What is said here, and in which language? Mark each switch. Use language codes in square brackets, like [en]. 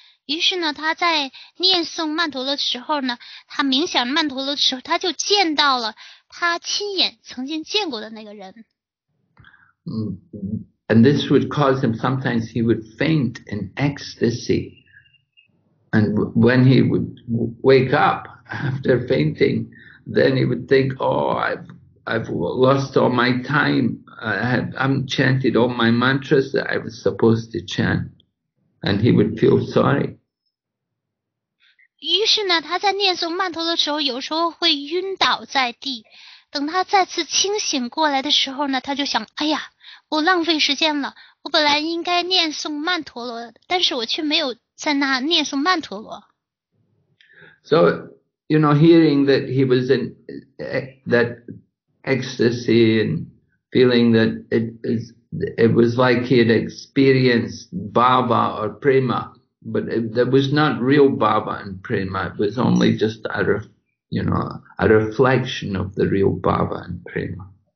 [zh] 于是呢，他在念诵曼陀罗的时候呢，他冥想曼陀罗的时候，他就见到了他亲眼曾经见过的那个人。 [en] And this would cause him, sometimes he would faint in ecstasy. And when he would wake up after fainting, then he would think, oh, I've lost all my time. I'm chanted all my mantras that I was supposed to chant. And he would feel sorry. [zh] 于是呢，他在念诵曼陀的时候，有时候会晕倒在地。等他再次清醒过来的时候呢，他就想，哎呀。我浪费时间了，我本来应该念诵曼陀罗，但是我却没有在那念诵曼陀罗。 [en] So, you know, hearing that he was in that ecstasy and feeling that it was like he had experienced bhava or prema, but there was not real bhava and prema, it was only just a reflection of the real bhava and prema.